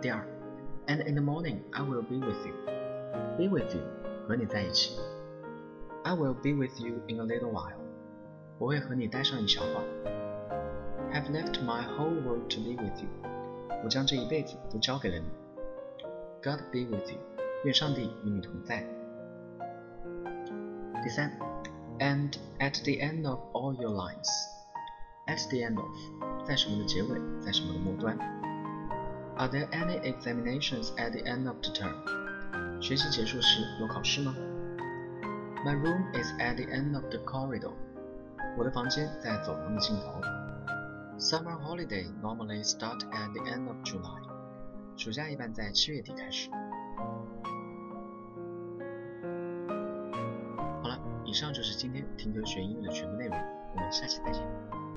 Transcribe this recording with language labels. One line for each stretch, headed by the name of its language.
Chinese: 第二
English: And in the morning, I will be with you. Be with you,
Chinese: 和你在一起。
English: I will be with you in a little while.
Chinese: 我会和你待上一小会儿。
English: I've left my whole world to be with you.
Chinese: 我将这一辈子都交给了你。
English: God be with you.
Chinese: 愿上帝与你同在。第三
English: And at the end of all your lines. At the end of,
Chinese: 在什么的结尾，在什么的末端。
English: Are there any examinations at the end of the term?
Chinese: 学习结束时有考试吗？
English: My room is at the end of the corridor.
Chinese: 我的房间在走廊的尽头。
English: Summer holiday normally start at the end of July.
Chinese: 暑假一般在七月底开始。好了，以上就是今天听歌学英语的全部内容，我们下期再见。